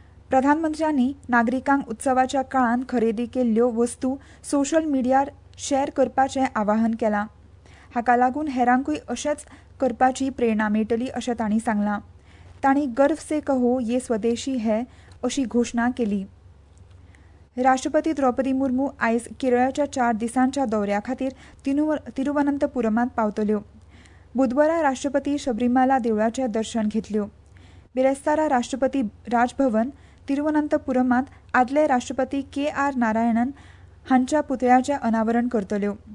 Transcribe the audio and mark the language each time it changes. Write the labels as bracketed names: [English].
[Goan Konkani] प्रधानमंत्र्यांनी नागरिकांक उत्सवाच्या काळांत खरेदी केल्ल्यो वस्तू सोशल मिडियार शेअर करपाचे आवाहन केला. हाका लागून हेरांकूय अशेंच करपाची प्रेरणा मेळटली अशें तांणी सांगला. तांणी [Hindi] गर्व से कहो ये स्वदेशी है [Goan Konkani] अशी घोषणा केली. राष्ट्रपती द्रौपदी मुर्मू आयज केरळच्या 4 दिसांच्या दौऱ्या खातीर तिरुवनंतपुरमात पावतल्यो. बुधवारा राष्ट्रपती शबरीमाला देवळाचे दर्शन घेतल्यो. बिरेस्तारा राष्ट्रपती राजभवन तिरुवनंतपुरमात आदले राष्ट्रपती KR नारायणन हांच्या पुतळ्याचे अनावरण करतल्यो.